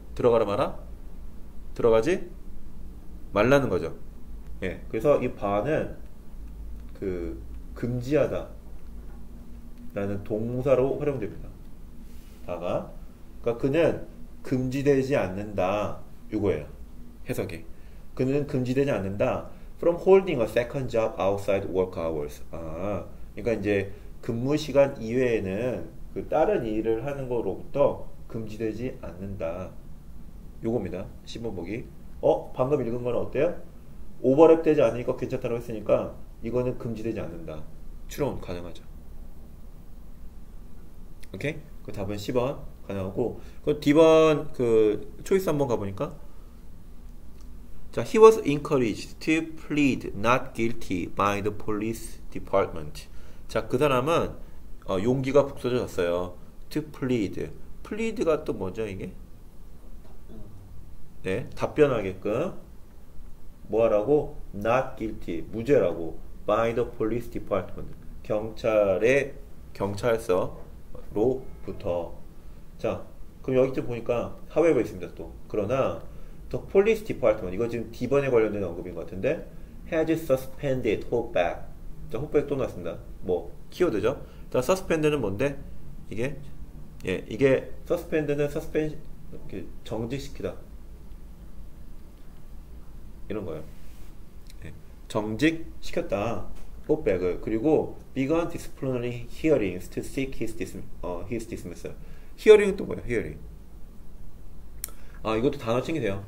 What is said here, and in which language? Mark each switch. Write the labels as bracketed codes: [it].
[ko] 들어가라 마라? 들어가지 말라는 거죠. 예. 네. 그래서 이 바는 그 금지하다라는 동사로 활용됩니다. 다가. 그러니까 그는 금지되지 않는다. 이거예요. 해석이. 그는 금지되지 않는다. [en] From holding a second job outside work hours. [ko] 아, 그러니까 이제 근무 시간 이외에는 그 다른 일을 하는 거로부터 금지되지 않는다. 요겁니다. 10번 보기. 방금 읽은 건 어때요? 오버랩되지 않으니까 괜찮다고 했으니까 이거는 금지되지 않는다. 추론 가능하죠. 오케이? 그 답은 10번 가능하고. 그 D번 그 초이스 한번 가보니까. [en] 자, He was encouraged to plead not guilty by the police department. [ko] 자, 그 사람은 용기가 북돋아졌어요. [en] To plead. [ko] Plead가 또 뭐죠, 이게? 네, 답변하게끔. 뭐하라고? [en] Not guilty. [ko] 무죄라고. [en] By the police department. [ko] 경찰의 경찰서로부터. 자, 그럼 여기 좀 보니까 however 있습니다, 또. 그러나, [en] the police department, [ko] 이거 지금 D번에 관련된 언급인 것 같은데, [en] has suspended hopeback. [ko] 자, hopeback 또 나왔습니다. 뭐, 키워드죠? 자, suspend는 뭔데? 이게? 예, 이게, suspend는 suspend, 이렇게 정지시키다. 이런 거예요. 정직시켰다. Hopeback을. [en] 그리고 began disciplinary hearings to seek his dismissal. [ko] hearing 또 뭐야, hearing. 아, 이것도 단어 챙기세요.